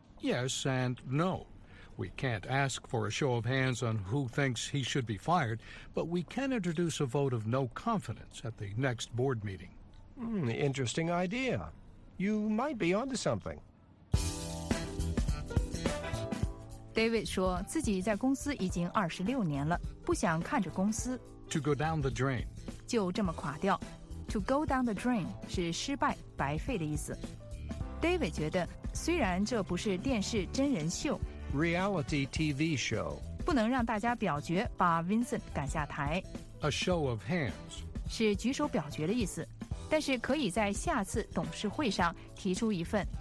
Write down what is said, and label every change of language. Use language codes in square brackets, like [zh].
[en] Yes and no. We can't ask for a show of hands on who thinks he should be fired, but we can introduce a vote of no confidence at the next board meeting. Interesting idea. You might be onto something. [zh] David 说自己在公司已经26年了，不想看着公司 [en] To go down the drain [zh] 就这么垮掉。 To go down the drain 是失败、白费的意思。 David 觉得虽然这不是电视真人秀 [en] Reality TV show [zh] 不能让大家表决把 Vincent 赶下台。 [en] A show of hands [zh] 是举手表决的意思，但是可以在下次董事会上提出一份